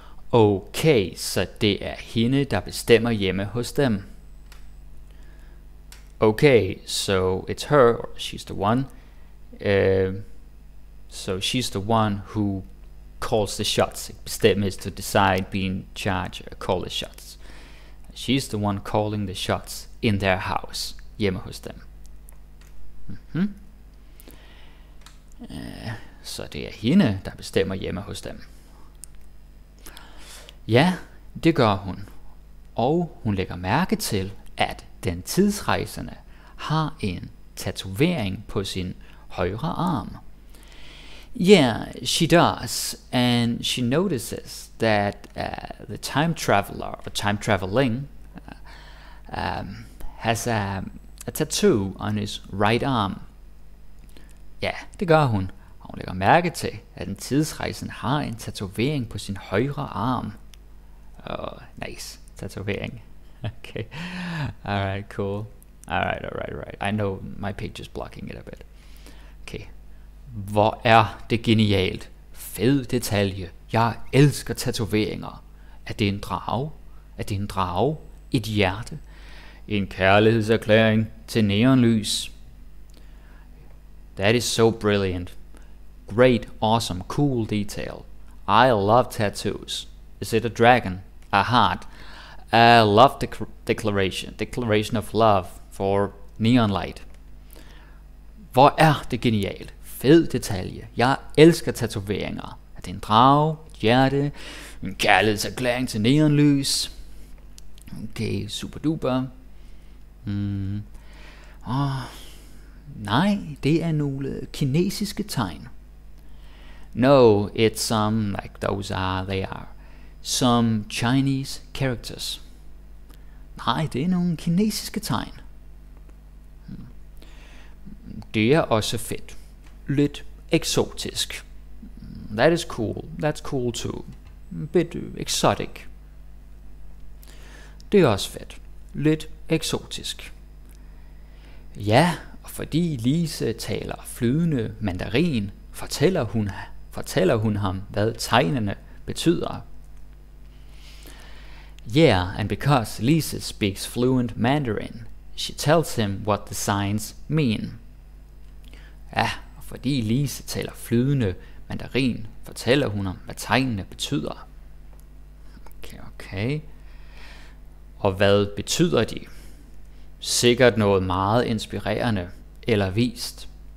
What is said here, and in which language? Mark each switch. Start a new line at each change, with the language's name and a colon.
Danish: Okay, så det er hende, der bestemmer hjemme hos dem.
English: Okay, so it's her, or she's the one. So she's the one who calls the shots. Bestemme is to decide, be in charge, call the shots. She's the one calling the shots in their house,
Danish: hjemme hos dem. Så det er hende, der bestemmer hjemme hos dem. Ja, det gør hun. Og hun lægger mærke til, at den tidsrejsende har en tatovering på sin højre arm.
English: Yeah, she does, and she notices that the time traveler, or time traveling, has a tattoo on his right arm.
Danish: Ja, det gør hun, og hun lægger mærke til, at den tidsrejsen har en tatovering på sin højre arm.
English: Oh, nice, tatovering. Okay, alright, cool. Alright. I know my page is blocking it a bit.
Danish: Okay. Hvor er det genialt. Fed detalje. Jeg elsker tatoveringer. Er det en drage? Er det en drage? Et hjerte? En kærlighedserklæring til neonlys?
English: That is so brilliant. Great, awesome, cool detail. I love tattoos. Is it a dragon? A heart? A love declaration. Declaration of love for neon light.
Danish: Hvor er det genialt. Fed detalje. Jeg elsker tatoveringer. Er det en drage, et hjerte, en kærlighedserklæring til neonlys?
English: Okay, super duper.
Danish: Nej, det er nogle kinesiske tegn.
English: No, it's some like those are, they are some Chinese characters.
Danish: Nej, det er nogle kinesiske tegn. Det er også fedt. Lidt eksotisk.
English: That is cool. That's cool too. Bit exotic.
Danish: Det er også fedt. Lidt eksotisk. Ja, og fordi Lise taler flydende mandarin, fortæller hun ham, hvad tegnene betyder.
English: Yeah, and because Lise speaks fluent mandarin, she tells him what the signs mean.
Danish: Ja, fordi Lise taler flydende mandarin, fortæller hun om, hvad tegnene betyder. Okay. Og hvad betyder de? Sikkert noget meget inspirerende eller vist.